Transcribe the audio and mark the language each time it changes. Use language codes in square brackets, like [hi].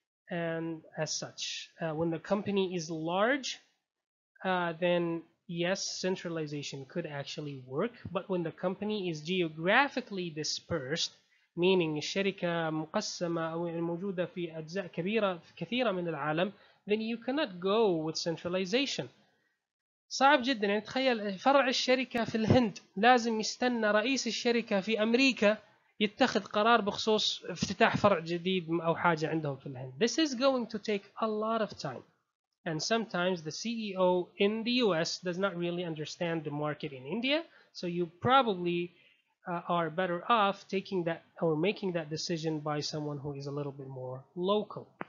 [en] And as such, when the company is large, then yes, centralization could actually work. But when the company is geographically dispersed, meaning [ar] الشركة مقسمة أو موجودة في أجزاء كبيرة في كثيرة من العالم, [en] then you cannot go with centralization. [ar] صعب جدا يعني تخيل فرع الشركة في الهند لازم يستنى رئيس الشركة في أمريكا يتخذ قرار بخصوص افتتاح فرع جديد أو حاجة عندهم في الهند. [en] This is going to take a lot of time. And sometimes the CEO in the US does not really understand the market in India. So you probably are better off taking that or making that decision by someone who is a little bit more local.